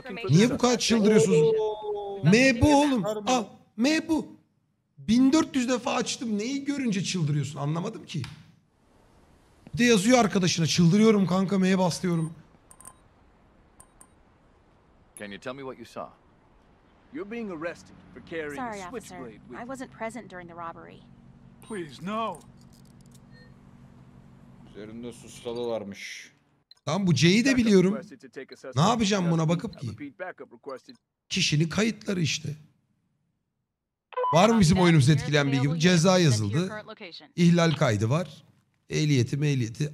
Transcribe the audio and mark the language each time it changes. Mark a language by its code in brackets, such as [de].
[tr] Niye bu kadar çıldırıyorsunuz? M bu oğlum. Al. M bu. 1400 defa açtım. Neyi görünce çıldırıyorsun? Anlamadım ki. Bir de yazıyor arkadaşına. Çıldırıyorum kanka. M'ye bas diyorum. [en] Can you tell me what you saw? You're being arrested for carrying a switchblade. Sorry, officer. I wasn't present during the robbery. Please, no. [tr] Üzerinde sustalı varmış. Tamam bu C'yi de biliyorum. Ne yapacağım buna bakıp ki? Kişinin kayıtları işte. Var mı bizim oyunumuz etkilen bir gibi? Ceza yazıldı. İhlal kaydı var. Ehliyeti.